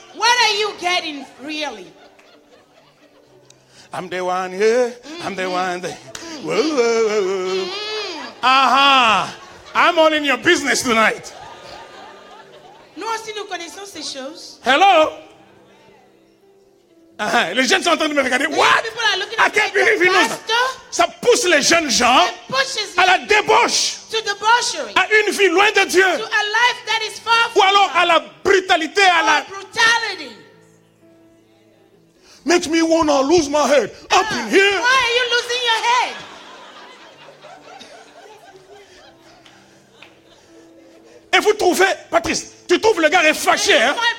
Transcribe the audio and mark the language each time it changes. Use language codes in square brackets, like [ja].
[en] What are you getting really? I'm the one here. Mm-hmm. I'm the one there. Whoa, whoa, whoa, whoa. Mm-hmm. Aha. I'm all in your business tonight. [fr] Nous aussi nous connaissons ces choses. [en] Hello? Uh-huh. [fr] Les jeunes sont en train de me regarder. [en] The what? People are looking at I can't believe you know. [fr] Ça pousse les jeunes gens à la débauche. [en] To debauchery. [fr] À une vie loin de Dieu. [en] To a life that is far from [fr] ou alors à la brutalité. À la [en] brutality. Makes me want to lose my head. Up in here. Why are you losing your head? [fr] Et vous trouvez, Patrice, tu trouves le gars est fâché, hein?